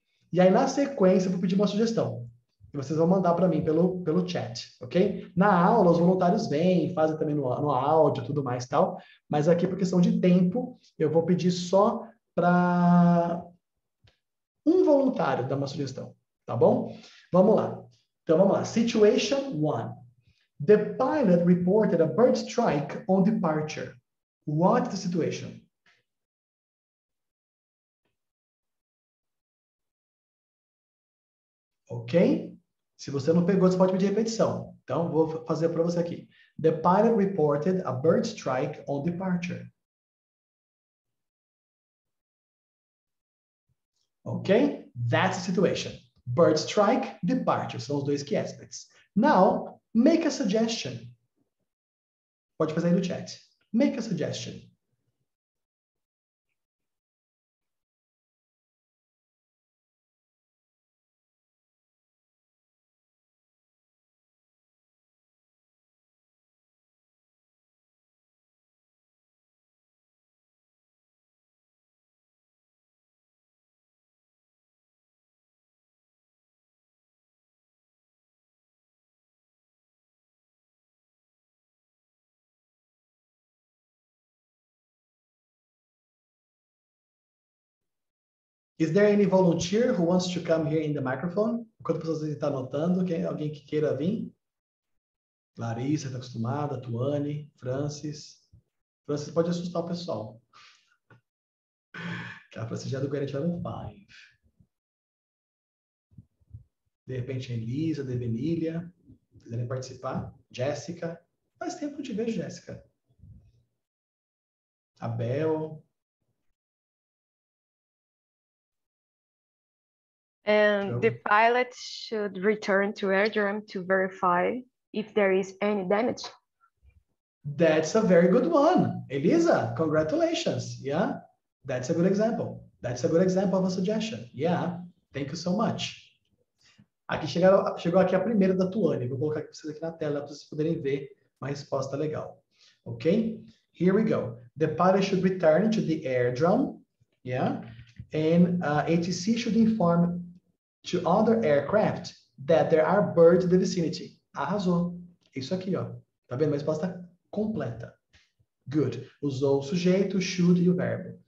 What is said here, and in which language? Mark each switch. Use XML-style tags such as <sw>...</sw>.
<pt>E aí, na sequência, eu vou pedir uma sugestão. E vocês vão mandar para mim pelo chat, ok? Na aula, os voluntários vêm, fazem também no áudio e tudo mais e tal. Mas aqui, por questão de tempo, eu vou pedir só para um voluntário dar uma sugestão, tá bom? Vamos lá. Então, vamos lá.</pt> <en>Situation one. The pilot reported a bird strike on departure. What is the situation? Ok?</en> <pt>Se você não pegou, você pode pedir repetição. Então, vou fazer para você aqui.</pt> <en>The pilot reported a bird strike on departure. Ok? That's the situation. Bird strike, departure.</en> <pt>São os dois key aspects.</pt> <en>Now, make a suggestion.</en> <pt>Pode fazer aí no chat.</pt> <en>Make a suggestion. Is there any volunteer who wants to come here in the microphone?</en> <pt>Enquanto pessoas estão anotando, alguém que queira vir? Larissa está acostumada, Tuane, Francis. Francis pode assustar o pessoal. Que a Francis já é do Guarani Level 5. De repente, a Elisa, a Devenília, quiserem participar. Jéssica. Faz tempo que te vejo, Jéssica. Abel.</pt> <en>And the pilot should return to airdrome to verify if there is any damage. That's a very good one, Elisa. Congratulations. Yeah, that's a good example. That's a good example of a suggestion. Yeah, thank you so much.</en> <pt>Aqui chegou aqui a primeira da Tuane. Vou colocar vocês aqui na tela para vocês poderem ver uma resposta legal.</pt> <en>Okay? Here we go. The pilot should return to the airdrome. Yeah, and ATC should inform to other aircraft that there are birds in the vicinity.</en> <pt>Arrasou. Isso aqui, ó. Tá vendo? Uma resposta completa. Good. Usou o sujeito, should e o verbo.</pt>